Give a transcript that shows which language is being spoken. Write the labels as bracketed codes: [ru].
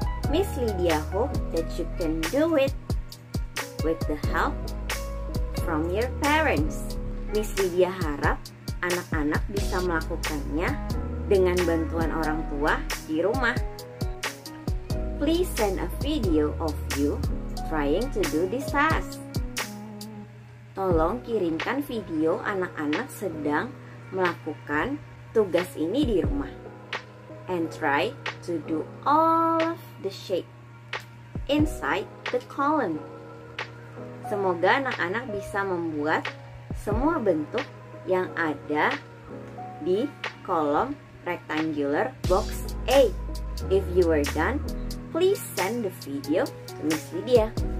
[en] Miss Lydia hope that you can do it with the help from your parents. [id] Miss Lydia harap anak-anak bisa melakukannya dengan bantuan orang tua di rumah. [en] Please send a video of you trying to do this task. [id] Tolong kirimkan video anak-anak sedang melakukan tugas ini di rumah. [en] And try to do all of the shape inside the column. [id] Semoga anak-anak bisa membuat semua bentuk yang ada di kolom rectangular box A. [en] If you are done, please send the video to Miss Lydia.